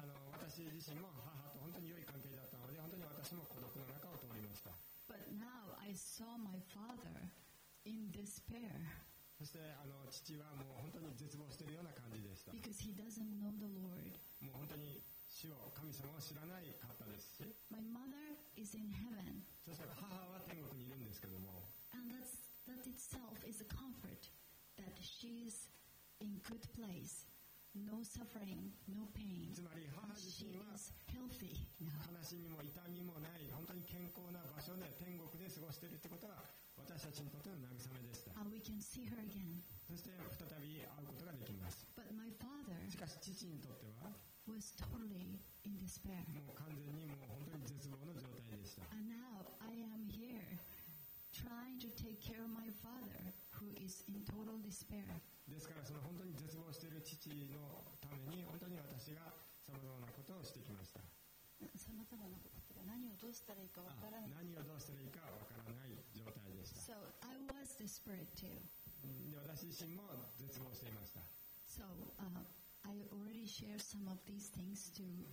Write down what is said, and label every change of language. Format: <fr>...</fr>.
<ja>私自身も母と本当に良い関係だったので、本当に私も孤独の中を通りました。</ja> <en>But now I saw my father in despair.</en> <ja>そして父はもう本当に絶望しているような感じでした。</ja> <en>Because he doesn't know the Lord.</en> <ja>もう本当に主を、神様を知らないかったですし。</ja> <en>My mother is in heaven.</en> <ja>そして母は天国にいるんですけども。</ja> <en>And that itself is a comfort that she'sIn good place, no suffering, no pain.</en> <ja>つまり母自身は悲しみも痛みもない本当に健康な場所で天国で過ごしているってことは私たちにとっての慰めでした。</ja> <en>And we can see her again.</en> <ja>そして再び会うことができます。</ja> <en>But my father</en> <ja>しかし父にとっては</ja> <en>was totally in despair.</en> <ja>もう完全にもう本当に絶望の状態でした。</ja> <en>And now I am here. Trying to take care of my father, who is in total despair.</en> <ja>ですからその本当に絶望している父のために本当に私が様々なことをしてきました。様々なことって何をどうしたらいいかわからない。何をどうしたらいいかわからない状態でした。</ja> <en>So I was desperate too.</en> <ja>で私自身も絶望していました。</ja> <en>So I already shared some of these things to.</en>